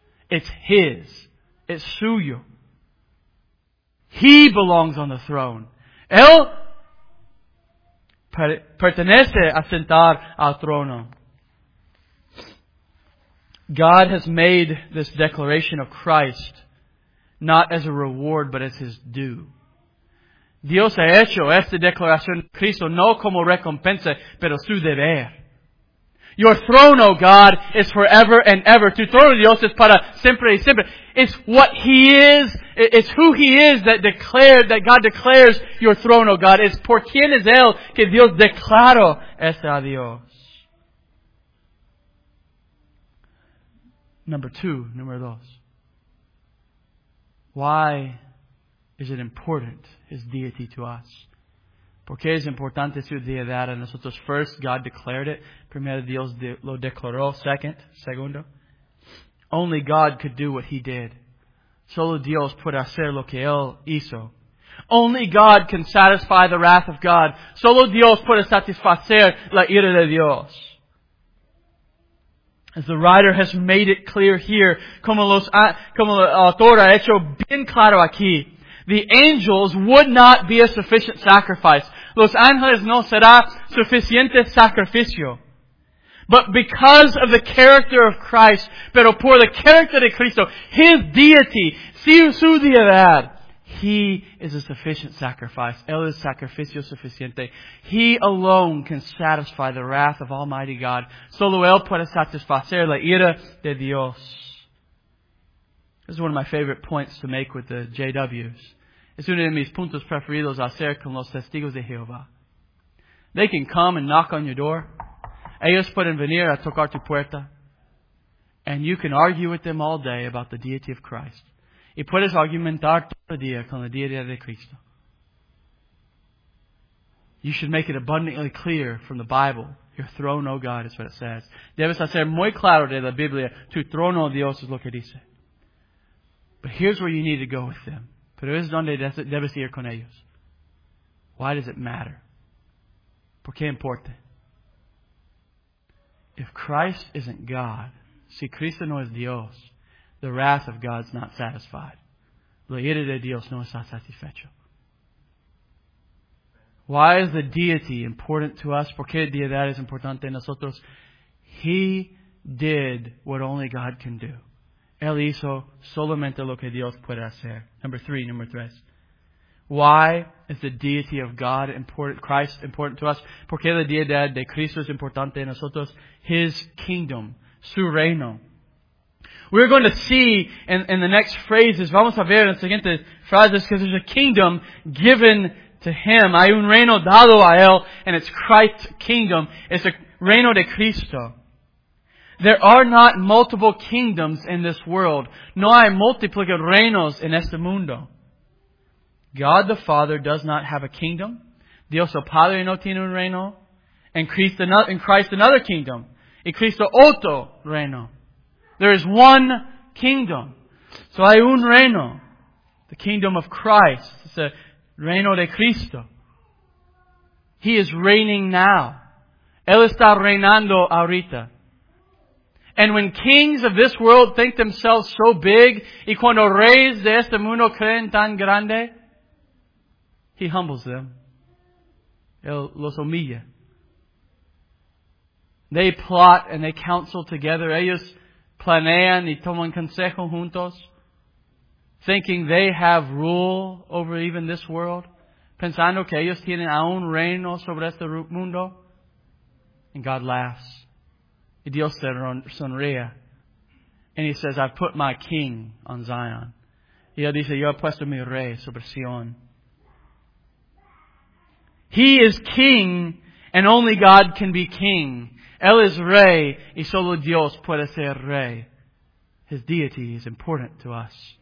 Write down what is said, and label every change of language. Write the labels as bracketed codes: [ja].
[en] It's His. It's [es] suyo. [en] He belongs on the throne. [es] Él pertenece a sentar al trono. [en] God has made this declaration of Christ not as a reward but as His due. [es] Dios ha hecho esta declaración de Cristo no como recompensa, pero su deber. [en] Your throne, O God, is forever and ever. [es] Tu trono, Dios, es para siempre y siempre. [en] It's what He is. It's who He is that God declares your throne, O God. [es] It's por quien es Él que Dios declaró es a Dios. Número dos. [en] Why is it important, His deity, to us? [es] ¿Por qué es importante su deidad a nosotros? [en] First, God declared it. [es] Primero, Dios lo declaró. [en] Segundo, only God could do what He did. [es] Solo Dios puede hacer lo que Él hizo. [en] Only God can satisfy the wrath of God. [es] Solo Dios puede satisfacer la ira de Dios. [en] As the writer has made it clear here, [es] como el autor ha hecho bien claro aquí, [en] the angels would not be a sufficient sacrifice. [es] Los ángeles no será suficiente sacrificio. [en] But because of the character of Christ, [es] pero por el carácter de Cristo, [en] His deity, [es] si su deidad, [en] He is a sufficient sacrifice. [es] Él es sacrificio suficiente. [en] He alone can satisfy the wrath of Almighty God. [es] Solo Él puede satisfacer la ira de Dios. [en] This is one of my favorite points to make with the JWs. [es] Es uno de mis puntos preferidos hacer con los testigos de Jehová. [en] They can come and knock on your door. [es] Ellos pueden venir a tocar tu puerta. [en] And you can argue with them all day about the deity of Christ. [es] Y puedes argumentar todo el día con la deidad de Cristo. [en] You should make it abundantly clear from the Bible. Your throne, O God, is what it says. [es] Debes hacer muy claro de la Biblia. Tu trono, Dios, es lo que dice. [en] But here's where you need to go with them. [es] Pero es donde debes ir con ellos. [en] Why does it matter? [es] ¿Por qué importa? [en] If Christ isn't God, [es] si Cristo no es Dios, [en] the wrath of God's not satisfied. [es] La ira de Dios no está satisfecho. [en] Why is the deity important to us? [es] ¿Por qué deidad es importante a nosotros? [en] He did what only God can do. [es] Él hizo solamente lo que Dios puede hacer. [en] Number three. Why is the deity of God important, Christ important to us? [es] ¿Por qué la deidad de Cristo es importante a nosotros? [en] His kingdom, [es] su reino. [en] We're going to see in the next phrases, [es] vamos a ver en siguientes frases, [en] because there's a kingdom given to Him. [es] Hay un reino dado a Él, [en] and it's Christ's kingdom. It's a [es] reino de Cristo. [en] There are not multiple kingdoms in this world. [es] No hay multiplicado reinos en este mundo. [en] God the Father does not have a kingdom. [es] Dios el Padre no tiene un reino. [en] And Christ another kingdom. [es] Y Cristo otro reino. [en] There is one kingdom. So [es] hay un reino. [en] The kingdom of Christ. It's a [es] reino de Cristo. [en] He is reigning now. [es] Él está reinando ahorita. [en] And when kings of this world think themselves so big, [es] y cuando reyes de este mundo creen tan grande, [en] He humbles them. [es] Él los humilla. [en] They plot and they counsel together. [es] Ellos planean y toman consejo juntos, [en] thinking they have rule over even this world, [es] pensando que ellos tienen aún reino sobre este mundo. [en] And God laughs. [es] Y Dios sonríe. [en] And He says, I've put my king on Zion. [es] Y Él dice, yo he puesto mi rey sobre Sion. [en] He is king, and only God can be king. [es] Él es rey, y solo Dios puede ser rey. [en] His deity is important to us.